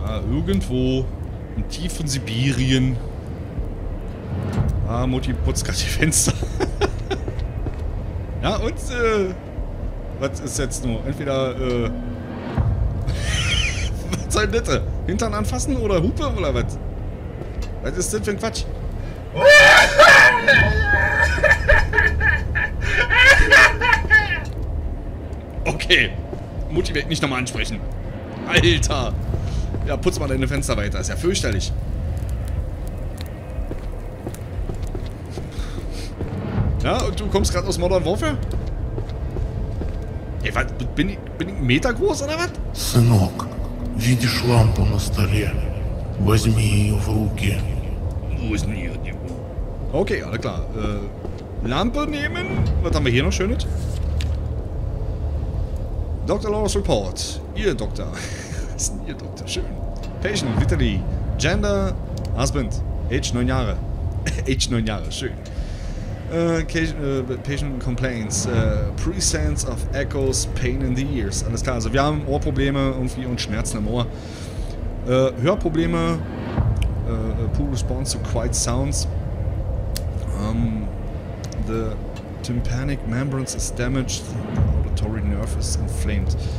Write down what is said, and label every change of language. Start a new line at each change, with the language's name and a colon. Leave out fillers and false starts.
German: Irgendwo im tiefen Sibirien. Ah, Mutti putzt gerade die Fenster. Ja, und was ist jetzt nur? Entweder was soll bitte? Hintern anfassen oder Hupe oder was? Was ist denn für ein Quatsch? Okay. Mutti wird nicht nochmal ansprechen. Alter. Ja, putz mal deine Fenster weiter. Ist ja fürchterlich. Ja, und du kommst gerade aus Modern Warfare? Ey, was? Bin ich einen Meter groß oder was?
Russian: Сынок, видишь лампу на столе? Возьми ее в руки. Возьми ее в руки.
German: Okay, alles klar. Lampe nehmen. Was haben wir hier noch Schönes? Dr. Lawrence Report. Ihr Doktor. Was ist denn Ihr Doktor? Schön.
English: Patient, Vitaly, Gender, Husband, Age 9 Jahre. Age 9
German: Jahre, schön.
English: Patient Complaints, Presence of Echoes, Pain in the Ears.
German: Alles klar, also wir haben Ohrprobleme irgendwie und Schmerzen im Ohr.
English: Hörprobleme, poor response to quiet sounds. The tympanic membrane is damaged, the auditory nerve is inflamed.